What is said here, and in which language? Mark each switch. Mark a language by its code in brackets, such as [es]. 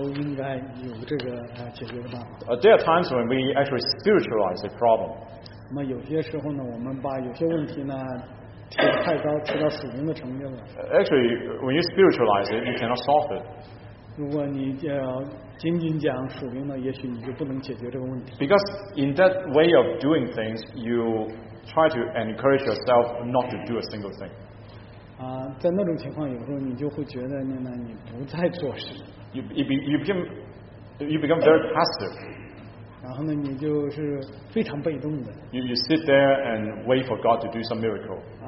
[zh] 我们在世上所有的生活都应该有这个解决的办法。 [en] There are times when we actually spiritualize a problem. [zh] 那么有些时候呢，我们把有些问题呢提得太高，提到属灵的层面了。Actually, [en] when you spiritualize it, you cannot solve it. [zh] 如果你仅仅讲属灵呢，也许你就不能解决这个问题。Because [en] in that way of doing things, you try to encourage yourself not to do a single thing. [zh] 在那种情况，有时候你就会觉得呢，你不再做事。 [en] You become very passive. [zh] 然后呢，你就是非常被动的。 [en] You sit there and wait for God to do some miracle.